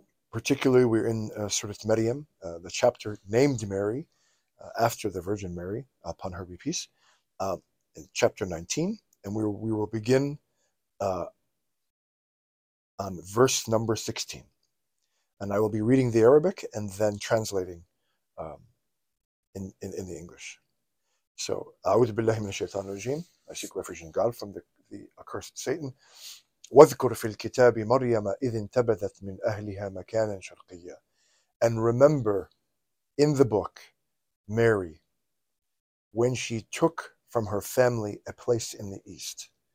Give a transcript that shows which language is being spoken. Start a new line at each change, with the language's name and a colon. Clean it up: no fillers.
English: Particularly, we're in Surah Maryam, the chapter named Mary, after the Virgin Mary, upon her be peace, in chapter 19, and we will begin on verse number 16. And I will be reading the Arabic and then translating in the English.
Arabic: So, أعوذ بالله من الشيطان الرجيم.
English: I seek refuge in God from the accursed Satan.
Arabic: وَذْكُرْ فِي الْكِتَابِ مَرْيَمَ إِذْ انْتَبَذَتْ مِنْ أَهْلِهَا مَكَانًا شَرْقِيًّا.
English: And remember in the book Mary, when she took from her family a place in the east.